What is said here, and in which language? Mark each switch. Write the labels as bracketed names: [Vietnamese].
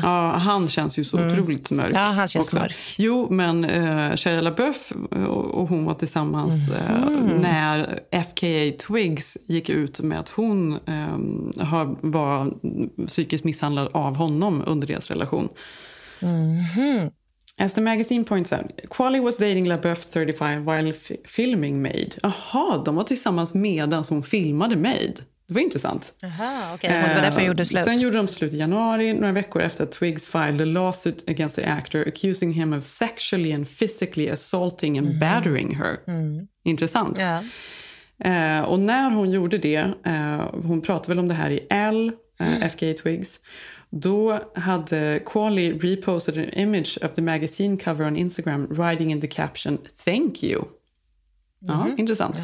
[Swedish] Ja, han känns ju så otroligt mörk. Ja, han känns mörk. Jo, men Shia LaBeouf och hon var tillsammans när FKA Twigs gick ut med att hon var psykiskt misshandlad av honom under deras relation. [English] As the magazine points out, Qualley was dating LaBeouf 35 while filming Maid. [Swedish] Aha, de var tillsammans medan hon filmade Maid. Det var intressant. Det var därför gjorde slut. Sen gjorde de slut i januari, några veckor efter att Twigs [English] filed a lawsuit against the actor, accusing him of sexually and physically assaulting and battering her. [Swedish] Mm. Intressant. Och när hon gjorde det, hon pratade väl om det här i Elle, FKA Twigs, då hade Qualley [English] reposted an image of the magazine cover on Instagram writing in the caption, "Thank you." [Swedish] Ja, intressant.